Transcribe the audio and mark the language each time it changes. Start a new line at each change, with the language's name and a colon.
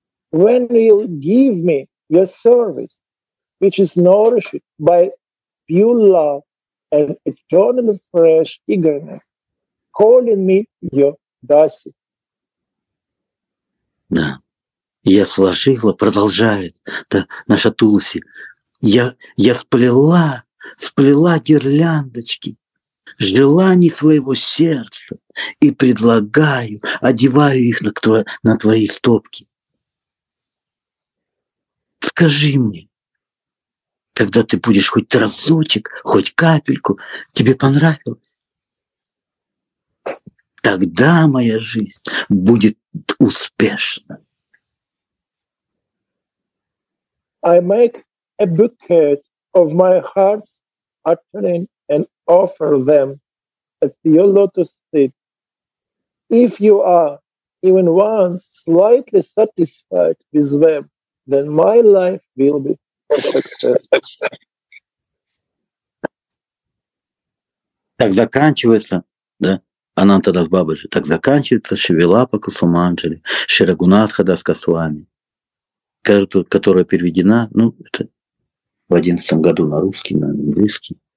English: When will you give me your service, which is nourished by pure love and eternally fresh eagerness, calling me your Dasi?
Russian: Да, я сложила, продолжает, да, наша Тулси, я сплела гирляндочки желаний своего сердца и предлагаю, одеваю их на твои стопки. Скажи мне, когда ты будешь хоть разочек, хоть капельку, тебе понравилось? Тогда моя жизнь будет успешна.
English: I make a bouquet of my heart's uttering and offer them at your lotus feet. If you are even once slightly satisfied with them, then my life will be successful.
Russian: Так заканчивается, да, Ананта Дас Бабаджи, так заканчивается Шивилапа Кусуманджали, Шри Рагунатха Дас Госвами, которая переведена, ну, это в 11 году на русский, на английский.